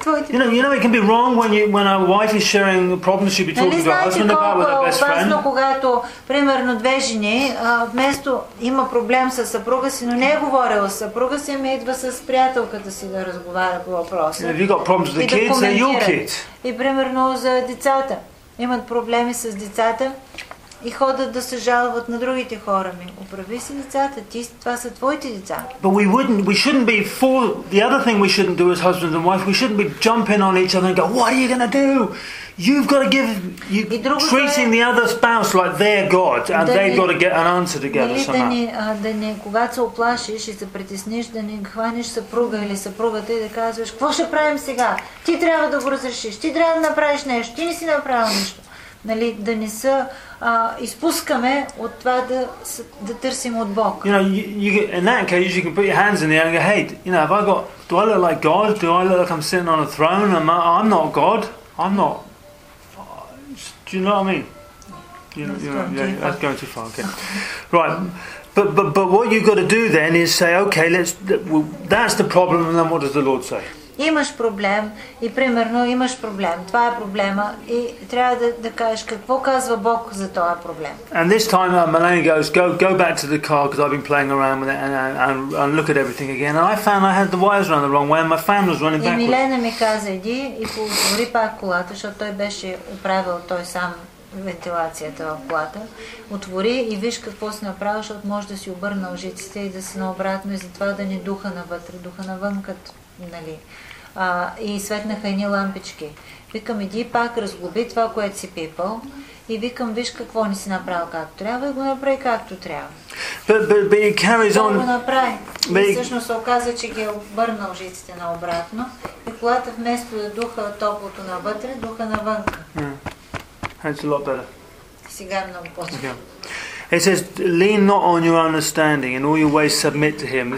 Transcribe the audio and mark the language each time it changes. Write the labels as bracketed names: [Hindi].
[English] You know, it can be wrong when a wife is sharing the problems she'd be talking to her husband about with her best friend. [Bulgarian] Важно, когато, примерно, две жени, вместо има проблем с съпруга си, но не е говорила с съпруга си, ами идва с приятелката си да разговаря по въпроса. [English] If you got problems with the kids, they're your kids. [Bulgarian] И, примерно, за децата. Имат проблеми с децата и ходят да се жалват на другите хора ми. Оправи си децата, това са твоите деца. [English] But we shouldn't be full. The other thing we shouldn't do as husbands and wife, we shouldn't be jumping on each other and go, what are you going to do? You've got to give you treating the other spouse like they're God and they've got to get an answer together somehow. [Bulgarian] Да не, когато се оплашиш и се притесниш, да не хванеш съпруга или съпругата и да казваш, какво ще правим сега? Ти трябва да го разрешиш, ти трябва да направиш нещо, ти не си направил нищо. Нали, да не се изпускаме от това да търсим от Бог. [English] You know, in that case, you can put your hands in the air and go, hey, you know, have I got, do I look like God? Do I look like I'm sitting on a throne? I'm not God. I'm not. Do you know what I mean? That's going too far. Okay. Right. But what you've got to do then is say, okay, that's the problem, and then what does the Lord say? [Bulgarian] Имаш проблем и примерно имаш проблем. Това е проблема и трябва да кажеш какво казва Бог за този проблем. [English] And this time Melanie goes, go back to the car because I've been playing around with it and look at everything again. And I found I had the wires run the wrong way and my fan was running backwards. [Bulgarian] И Милена ми каза, иди и повтори пак колата, защото той беше оправил той сам вентилацията в колата. Отвори и виж какво си направил, защото може да си обърна лъжиците и да си наобратно и затова да ни духа навътре, духа навън като... Нали, и светнаха едни лампички. Викам, иди пак разглоби това, което си пипал и викам, виж какво не си направил както трябва и го направи както трябва. [English] But it carries on. [Bulgarian] Това го направи. И всъщност се оказа, че ги е обърнал жиците наобратно и колата вместо да духа топлото навътре, духа навънка. [English] That's a lot better. [Bulgarian] Сега е много по-добре. [English] It says, lean not on your understanding, in all your ways submit to him.